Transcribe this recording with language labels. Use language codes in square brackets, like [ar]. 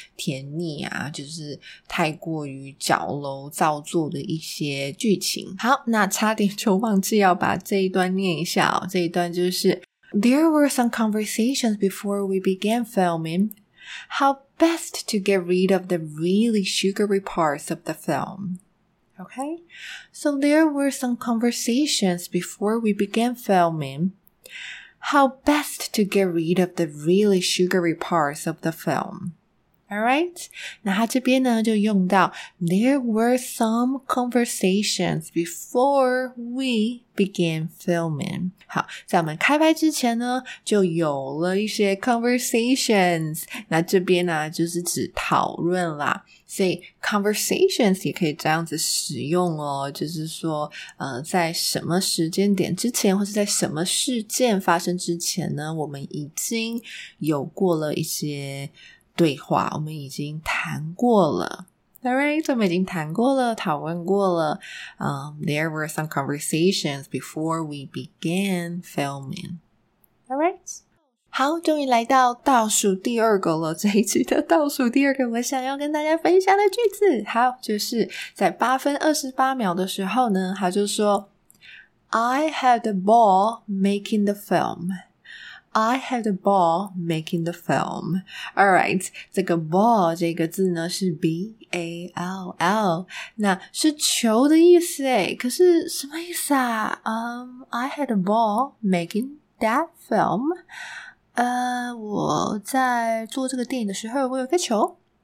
[zh] 甜腻啊就是太过于矫揉造作的一些剧情好那差点就忘记要把这一段念一下哦这一段就是 [en] There were some conversations before we began filming How best to get rid of the really sugary parts of the film Okay, so there were some conversations before we began filming. how best to get rid of the really sugary parts of the film. Alright, [zh] 那他这边呢就用到 [en] There were some conversations before we began filming. [zh] 好，在我们开拍之前呢就有了一些 conversations. 那这边呢就是指讨论啦。所以 conversations 也可以这样子使用哦，就是说在什么时间点之前或是在什么事件发生之前呢，我们已经有过了一些对话，我们已经谈过了。 Alright, 我们已经谈过了，讨论过了。 [en] There were some conversations before we began filming. Alright. [zh] 好，终于来到倒数第二个了。这一集的倒数第二个我想要跟大家分享的句子。好，就是在8分28秒的时候呢，他就说 [en] I had the ball making the film. I had a ball making the film. [zh] Alright, 这个 ball 这个字呢是 B-A-L-L, 那是球的意思耶，可是什么意思啊？ [en] I had a ball making that film. [zh] 我在做这个电影的时候我有个球。